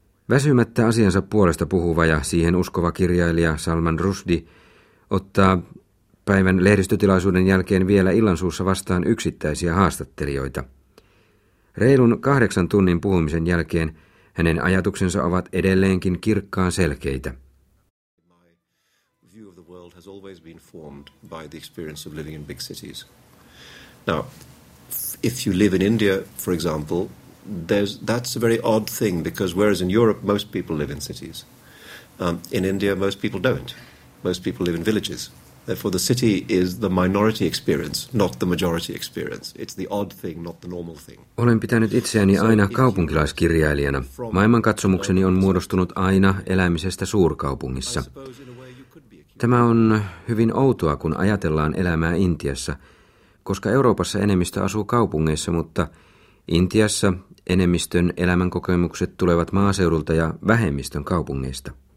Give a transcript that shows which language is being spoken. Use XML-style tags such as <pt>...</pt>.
<fi>Väsymättä asiansa puolesta puhuva ja siihen uskova kirjailija Salman Rushdie ottaa päivän lehdistötilaisuuden jälkeen vielä illansuussa vastaan yksittäisiä haastattelijoita. Reilun 8 tunnin puhumisen jälkeen hänen ajatuksensa ovat edelleenkin kirkkaan selkeitä.</fi> <en>My view of the world has always been formed by the experience of living in big cities. Now, if you live in India, for example, that's a very odd thing, because whereas in Europe most people live in cities, in India most people don't. Most people live in villages. Therefore the city is the minority experience, not the majority experience. It's the odd thing, not the normal thing.</en> <fi>Olen pitänyt itseäni aina kaupunkilaiskirjailijana. Maailmankatsomukseni on muodostunut aina elämisestä suurkaupungissa. Tämä on hyvin outoa, kun ajatellaan elämää Intiassa, koska Euroopassa enemmistö asuu kaupungeissa, mutta Intiassa enemmistön elämänkokemukset tulevat maaseudulta ja vähemmistön kaupungeista.</fi>